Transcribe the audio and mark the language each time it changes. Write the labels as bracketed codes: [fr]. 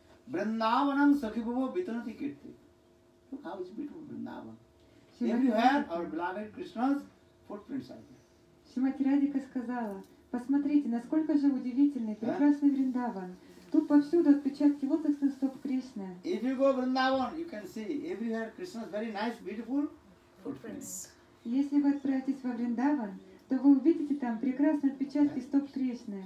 [sa] Vrindavanam Sakhibhava Vitanati Kirti. [en] Look how it's beautiful, Vrindavan. Everywhere our beloved Krishna's footprints are there. [ru] Srimati Radhika сказала, посмотрите, насколько же удивительный, прекрасный Вриндаван. Тут повсюду отпечатки лотосных стоп Кришны. [en] If you go Vrindavan, you can see everywhere Krishna's very nice, beautiful footprints. [ru] Если вы отправитесь во Вриндаван, то вы увидите там прекрасные отпечатки стоп Кришны.